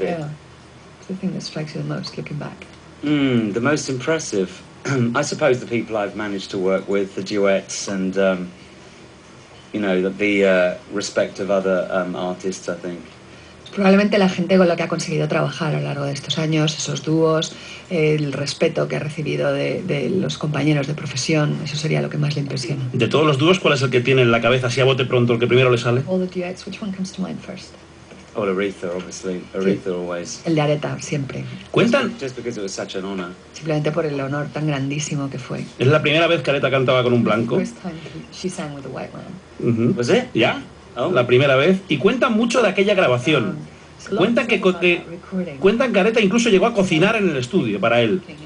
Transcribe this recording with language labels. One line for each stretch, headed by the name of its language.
English: The thing that strikes you the most looking back. The most impressive. I suppose the people I've managed to work with, the duets, and you know, the respect of other artists, I think.
Spanish: Probablemente la gente con la que ha conseguido trabajar a lo largo de estos años, esos dúos, el respeto que ha recibido de los compañeros de profesión, eso sería lo que más le impresiona. De todos los dúos, ¿cuál es el que tiene en la cabeza, si a bote pronto, el que primero le sale?
English: All the duets, which one comes to mind first? Oh, Aretha, obviously. Aretha,
Spanish: sí.
English: Always.
Spanish: El de Aretha, siempre. ¿Cuentan?
English: Just because it was such an honor.
Spanish: Simplemente por el honor tan grandísimo que fue. ¿Es la primera vez que Aretha cantaba con un blanco?
English: First time she sang with a white man. Was it?
Spanish: Ya.
English: Yeah. Oh.
Spanish: La primera vez. Y cuentan mucho de aquella grabación. Cuentan que Aretha incluso llegó a cocinar en el estudio para él.